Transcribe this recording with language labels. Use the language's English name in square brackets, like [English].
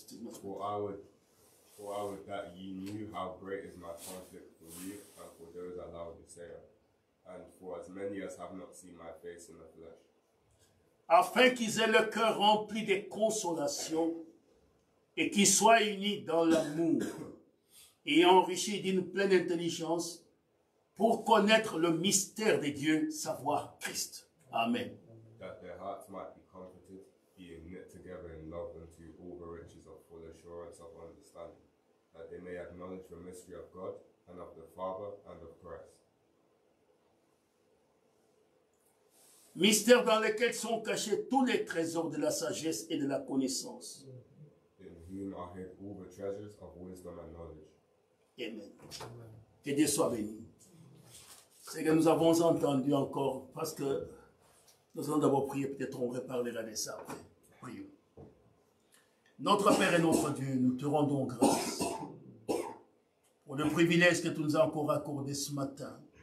[English] For I would that ye knew how great is my conflict for you and for those at La Odyssea, and for as many as have not seen my face in the flesh. [French] Afin qu'ils aient le cœur rempli de consolation et qu'ils soient unis dans l'amour et enrichis d'une pleine intelligence pour connaître le mystère de Dieu, savoir Christ. Amen. [English] That their hearts might be comforted, being knit together in love unto all the riches of full assurance of understanding, that they may acknowledge the mystery of God and of the Father and of Christ. [French] Mystère dans lequel sont cachés tous les trésors de la sagesse et de la connaissance. [English] In whom are hid all the treasures of wisdom and knowledge. [French] Amen. Que Dieu soit béni. Ce que nous avons entendu encore, parce que nous allons d'abord prier, peut-être on reparlera de ça après. Prions. Notre Père et notre Dieu, nous te rendons grâce pour le privilège que tu nous as encore accordé ce matin.